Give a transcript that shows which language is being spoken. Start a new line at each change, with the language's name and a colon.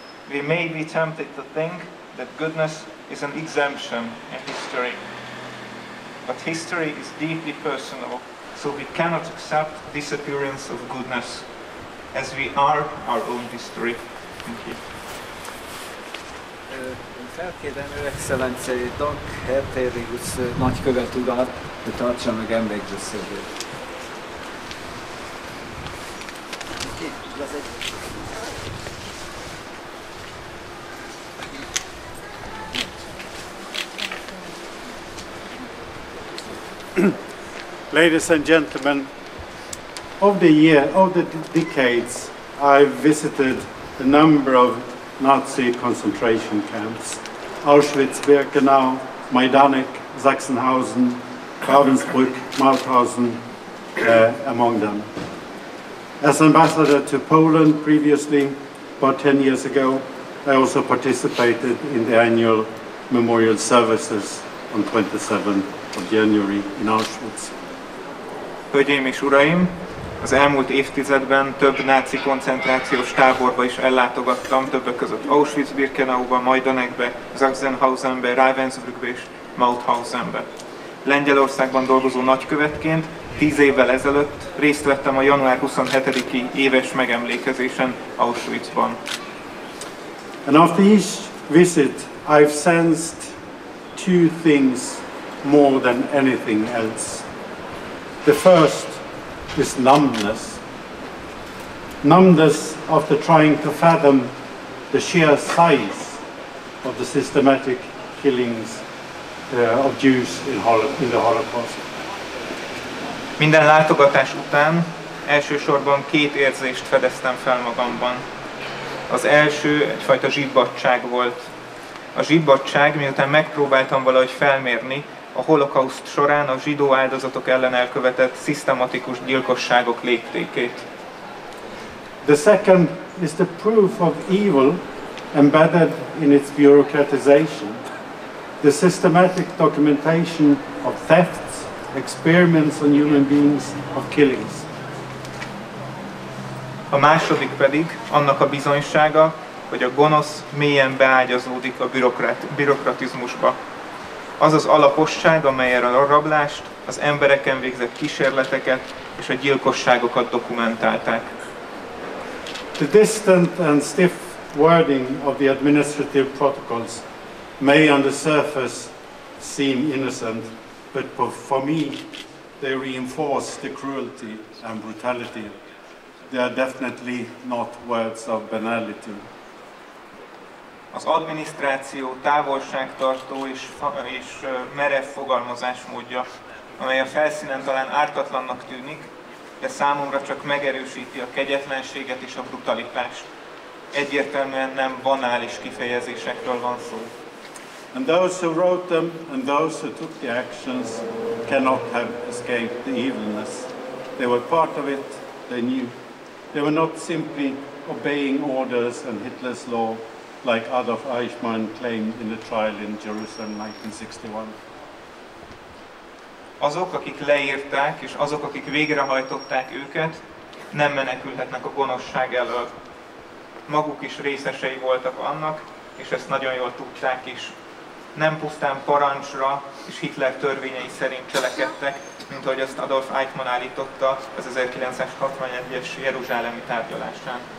English: We may be tempted to think that goodness is an exemption in history. But history is deeply personal, so we cannot accept disappearance of goodness, as we are our own history. Thank you.
Hungarian: Felkérem ő excellenciájét, Dag Hertérius nagykövet urat, hogy tartsa meg emlékbeszédét.
English: Ladies and gentlemen, of the decades, I've visited a number of Nazi concentration camps: Auschwitz, Birkenau, Majdanek, Sachsenhausen, Ravensbrück, Mauthausen, among them. As ambassador to Poland previously, about 10 years ago, I also participated in the annual memorial services on 27th of January in Auschwitz.
Hungarian: Hölgyeim és uraim, az elmúlt évtizedben több náci koncentrációs táborba is ellátogattam, többek között Auschwitz-Birkenauba, Majdanekbe, Sachsenhausenbe, Ravensbrückbe és Mauthausenbe. Lengyelországban dolgozó nagykövetként 10 évvel ezelőtt részt vettem a január 27-i éves megemlékezésen Auschwitzban.
English: And after each visit, I've sensed two things more than anything else. The first is numbness. Numbness after trying to fathom the sheer size of the systematic killings of Jews in the Holocaust.
Hungarian: Minden látogatás után elsősorban két érzést fedeztem fel magamban. Az első egyfajta zsibbadtság volt. A zsibbadtság, miután megpróbáltam valahogy felmérni a holokauszt során a zsidó áldozatok ellen elkövetett szisztematikus gyilkosságok léptékét.
English: The second is the proof of evil embedded in its bureaucratization. The systematic documentation of thefts, experiments on human beings, of killings.
Hungarian: A második pedig annak a bizonysága, hogy a gonosz mélyen beágyazódik a bürokratizmusba. Az az alaposság, amelyel a rablást, az embereken végzett kísérleteket és a gyilkosságokat dokumentálták.
English: The distant and stiff wording of the administrative protocols may on the surface seem innocent, but for me they reinforce the cruelty and brutality. They are definitely not words of banality.
Hungarian: Az adminisztráció távolságtartó és merev fogalmazásmódja, amely a felszínen talán ártatlannak tűnik, de számomra csak megerősíti a kegyetlenséget és a brutalitást. Egyértelműen nem banális kifejezésekről van szó.
English: And those who wrote them and those who took the actions cannot have escaped the evilness. They were part of it, they knew. They were not simply obeying orders and Hitler's law, like Adolf Eichmann claimed in the trial in Jerusalem 1961.
Hungarian: Azok, akik leírták, és azok, akik végrehajtották őket, nem menekülhetnek a gonoszság elől. Maguk is részesei voltak annak, és ezt nagyon jól tudták is. Nem pusztán parancsra és Hitler törvényei szerint cselekedtek, mint ahogy azt Adolf Eichmann állította az 1961-es jeruzsálemi tárgyalásán.